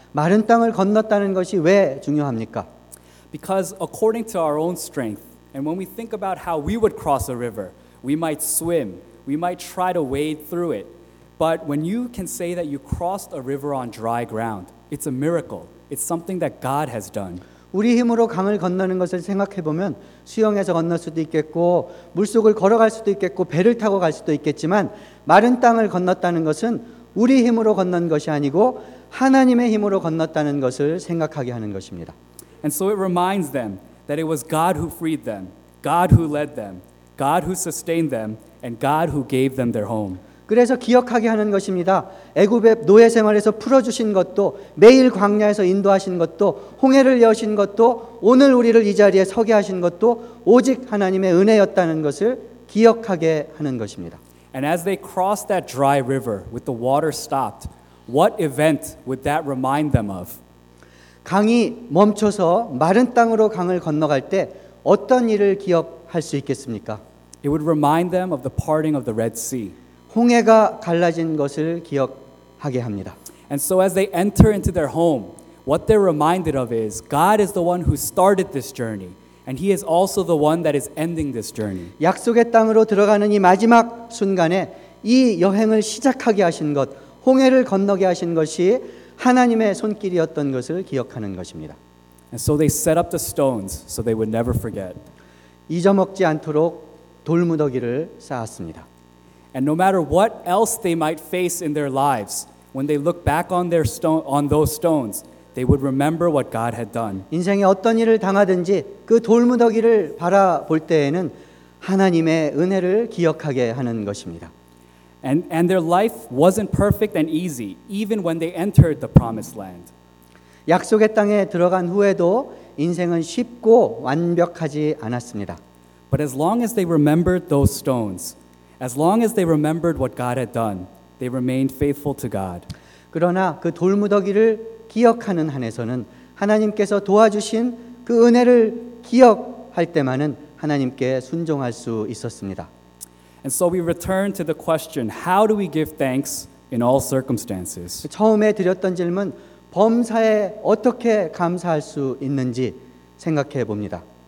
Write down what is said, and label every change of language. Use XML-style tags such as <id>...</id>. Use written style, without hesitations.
<ko>마른 땅을 건넜다는 것이 왜 중요합니까?</ko> <en>Because according to our own strength, and when we think about how we would cross a river, we might swim, we might try to wade through it. But when you can say that you crossed a river on dry ground, it's a miracle. It's something that God has done.</en> <ko>우리 힘으로 강을 건너는 것을 생각해보면 수영해서 건널 수도 있겠고 물속을 걸어갈 수도 있겠고 배를 타고 갈 수도 있겠지만 마른 땅을 건넜다는 것은 우리 힘으로 건넌 것이 아니고 하나님의 힘으로 건넜다는 것을 생각하게 하는 것입니다.</ko> <en>And so it reminds them that it was God who freed them, God who led them, God who sustained them, and God who gave them their home.</en> <ko>그래서 기억하게 하는 것입니다. 애굽의 노예 생활에서 풀어주신 것도, 매일 광야에서 인도하신 것도, 홍해를 여신 것도, 오늘 우리를 이 자리에 서게 하신 것도 오직 하나님의 은혜였다는 것을 기억하게 하는 것입니다.</ko> <en>And as they crossed that dry river with the water stopped, what event would that remind them of?</en> <ko>강이 멈춰서 마른 땅으로 강을 건너갈 때 어떤 일을 기억할 수 있겠습니까?</ko> <en>It would remind them of the parting of the Red Sea.</en> <ko>홍해가 갈라진 것을 기억하게 합니다.</ko> <en>And so as they enter into their home, what they're reminded of is God is the one who started this journey, and he is also the one that is ending this journey.</en> <ko>약속의 땅으로 들어가는 이 마지막 순간에 이 여행을 시작하게 하신 것, 홍해를 건너게 하신 것이 하나님의 손길이었던 것을 기억하는 것입니다.</ko> <en>And so they set up the stones so they would never forget.</en> <ko>잊어먹지 않도록 돌무더기를 쌓았습니다.</ko> <en>And no matter what else they might face in their lives, when they look back on those stones, they would remember what God had done.</en> <ko>인생에 어떤 일을 당하든지 그 돌무더기를 바라볼 때에는 하나님의 은혜를 기억하게 하는 것입니다.</ko> <en>And their life wasn't perfect and easy even when they entered the promised land.</en> <ko>약속의 땅에 들어간 후에도 인생은 쉽고 완벽하지 않았습니다.</ko> <en>But as long as they remembered those stones, as long as they remembered what God had done, they remained faithful to God.</en> <ko>그러나 그 돌무더기를 기억하는 한에서는 하나님께서 도와주신 그 은혜를 기억할 때만은 하나님께 순종할 수 있었습니다.</ko> <en>And so we return to the question, how do we give thanks in all circumstances?</en> <ko>처음에 드렸던 질문, 범사에 어떻게 감사할 수 있는지 생각해 봅니다.</ko>